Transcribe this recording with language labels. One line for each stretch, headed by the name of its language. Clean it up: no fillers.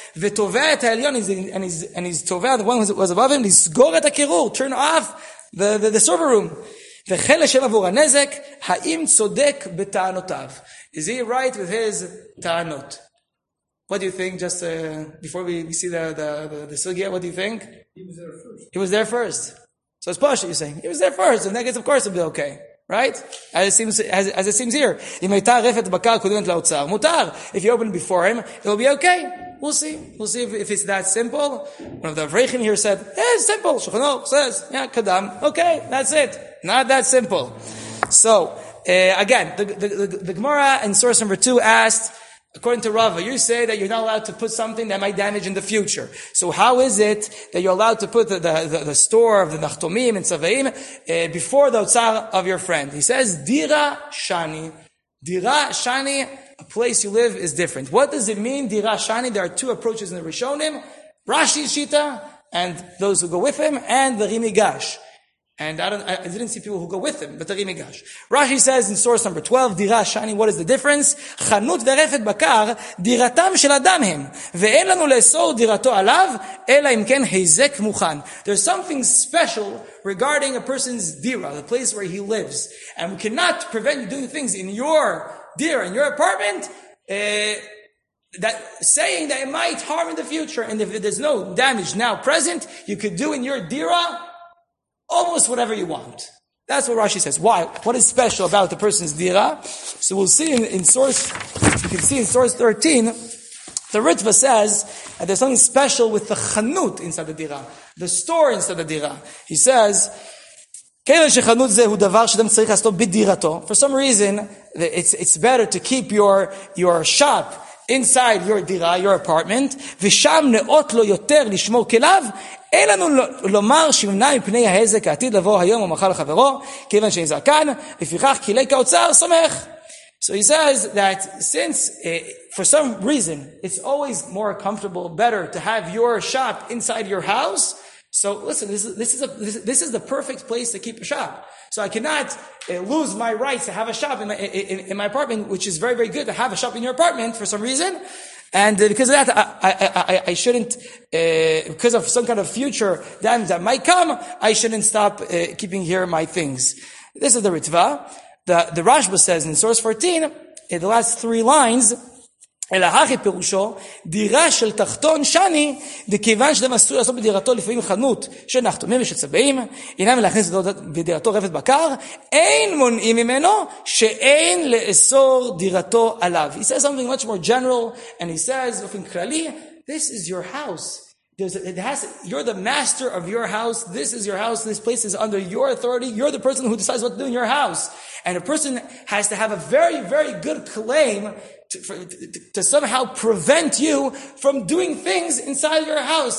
Hebrew: ותובע את העליון,
English: and he's תובע, the one who was above him,
Hebrew: לסגור את הקירור,
English: turn off the server room.
Hebrew: וחל השם עבור הנזק, האם צודק בטענותיו?
English: Is he right with his טענות? What do you think, just before we see the sugya, what do you think? He was there first. So it's posh, you're saying. He was there first, and then I guess, of course, it'll be okay. Right? As it seems here.
Hebrew: אם הייתה רפת בקר קודמת לאוצר, מותר.
English: If you open it before him, it'll be okay. We'll see. We'll see if it's that simple. One of the avreichim here said, yeah, it's simple. Shulchan Aruch says, yeah, kadam. Okay, that's it. Not that simple. So, again, the Gemara in source number 2 asked, according to Rava, you say that you're not allowed to put something that might damage in the future. So how is it that you're allowed to put the store of the Nachtomim and Tzavaim before the Otsar of your friend? He says, Dira Shani. Dira Shani, a place you live is different. What does it mean, Dira Shani? There are two approaches in the Rishonim, Rashi Shita, and those who go with him, and the Rimigash. And I didn't see people who go with him, but Tari Migash. Rashi says in source number 12, Dira Shani, what is the difference?
Hebrew: Chanut ורפת בקר, דירתם של אדם הם. ואין לנו לאסור דירתו עליו, אלא אם כן היזק מוכן.
English: There's something special regarding a person's dira, the place where he lives. And we cannot prevent you doing things in your dira, in your apartment, that saying that it might harm in the future. And if there's no damage now present, you could do in your dira almost whatever you want. That's what Rashi says. Why? What is special about the person's dira? So we'll see in source 13, the Ritva says that there's something special with the chanut inside the dira, the store inside the dira. He says,
Hebrew: כאילו שחנות זה הוא דבר שאתם צריך לעשות בדירתו.
English: For some reason, it's better to keep your shop inside your dira, your apartment,
Hebrew: ושם נאות לו יותר לשמור כליו, אין לנו לומר שמנע מפני ההזק העתיד לבוא היום ומחר לחברו, כיוון שאין זרקן, לפיכך כילי כאוצר, סומך.
English: So he says that since, for some reason, it's always more comfortable, better to have your shop inside your house, so listen, this is the perfect place to keep a shop. So I cannot lose my rights to have a shop in my apartment, which is very, very good to have a shop in your apartment for some reason. And because of that, I shouldn't, because of some kind of future damage that might come, I shouldn't stop keeping here my things. This is the Ritva. The Rashba says in source 14, in the last three lines,
Hebrew: אלא הכי פירושו, דירה של תחתון שני, דכיוון שאתם עשוי לעשות בדירתו לפעמים חנות של נחתומים ושל צבעים, אינם להכניס בדירתו רפת בקר, אין מונעים ממנו שאין לאסור דירתו עליו.
English: He says something much more general, and he says, in כללי, this is your house. You're the master of your house. This is your house. This place is under your authority. You're the person who decides what to do in your house. And a person has to have a very, very good claim to somehow prevent you from doing things inside your house.